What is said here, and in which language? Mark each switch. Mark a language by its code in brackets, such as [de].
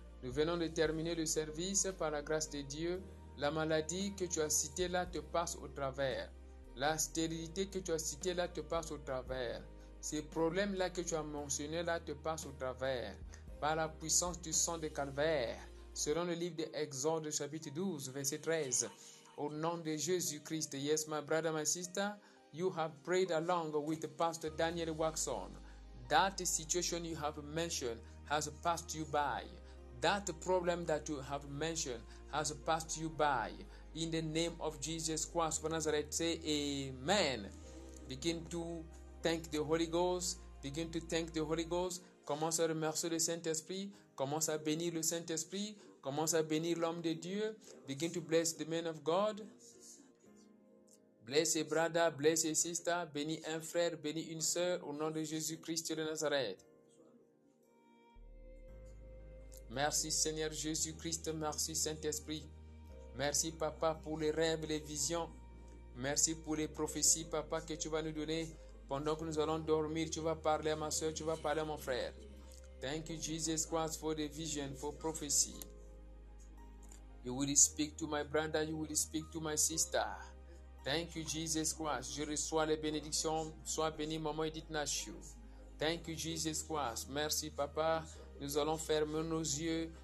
[fr] Nous venons de terminer le service par la grâce de Dieu. La maladie que tu as citée là te passe au travers. La stérilité que tu as citée là te passe au travers. Ces problèmes-là que tu as mentionnés là te passent au travers. Par la puissance du sang de calvaire, selon le livre d'Exode chapitre 12, verset 13, au nom de Jésus-Christ. [en] Yes, my brother, my sister, you have prayed along with Pastor Daniel Waxon. That situation you have mentioned has passed you by. That problem that you have mentioned has passed you by. In the name of Jesus Christ of Nazareth, say Amen. Begin to thank the Holy Ghost. Begin to thank the Holy Ghost. [fr] Commence à remercier le Saint-Esprit. Commence à bénir le Saint-Esprit. Commence à bénir l'homme de Dieu. [en] Begin to bless the man of God. Bless Brenda, bless sister, [fr] bénis un frère, bénis une sœur, au nom de Jésus-Christ de Nazareth. Merci Seigneur Jésus-Christ, merci Saint-Esprit. Merci Papa pour les rêves, les visions. Merci pour les prophéties, Papa, que tu vas nous donner. Pendant que nous allons dormir, tu vas parler à ma sœur, tu vas parler à mon frère. [en] Thank you, Jesus Christ, for the vision, for prophecy. You will speak to my brother, you will speak to my sister. Thank you, Jesus Christ. [fr] Je reçois les bénédictions. Sois béni, maman Edith Nashu. [en] Thank you, Jesus Christ. [fr] Merci, Papa. Nous allons fermer nos yeux.